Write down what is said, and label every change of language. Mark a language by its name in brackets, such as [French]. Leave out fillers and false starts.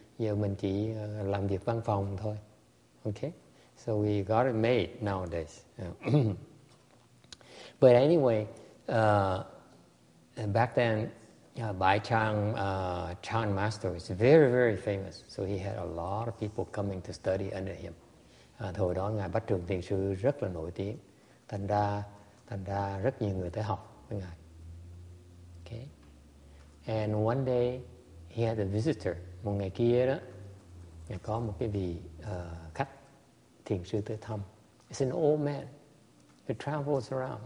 [Vietnamese] Giờ mình chỉ làm việc văn phòng thôi. [English] Okay? So we got it made nowadays. But anyway, back then, Bai Chang, Chan Master, is very, very famous. So he had a lot of people coming to study under him. [Vietnamese] Thời đó, Ngài Bát Trường Thiền Sư rất là nổi tiếng. Thành ra rất nhiều người tới học với Ngài. Okay? [English] And one day, he had a visitor. [Vietnamese] Một ngày kia đó, ngài có một cái vị khách thiền sư tới thăm. [English] It's an old man. He travels around.